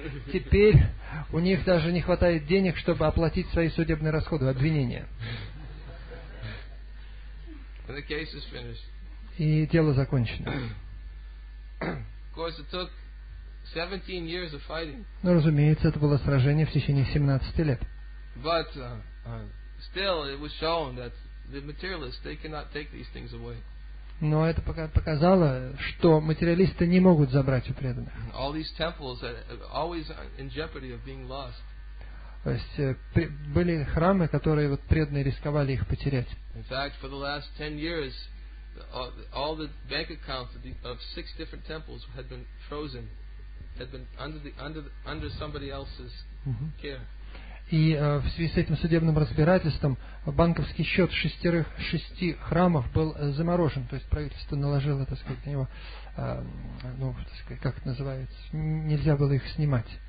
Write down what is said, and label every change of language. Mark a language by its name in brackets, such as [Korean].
[Russian] Теперь у них даже не хватает денег, чтобы оплатить свои судебные расходы, обвинения. [English] And the case is finished. [Russian] И дело закончено. [English] Of course, it took 17 years of fighting. [Russian] Ну, разумеется, это было сражение в течение 17 лет. [English] But still, it was shown that the materialists, they cannot take these things away. [Russian] Но это показало, что материалисты не могут забрать у преданных. [English] All these temples are always in jeopardy of being lost. [Russian] То есть были храмы, которые вот преданные рисковали их потерять. [English] In fact, for the last 10 years, all the bank accounts of 6 different temples had been frozen, had been under somebody else's care. [Russian] И в связи с этим судебным разбирательством банковский счет шести храмов был заморожен. То есть правительство наложило, так сказать, на него, ну, так сказать, как это называется, нельзя было их снимать.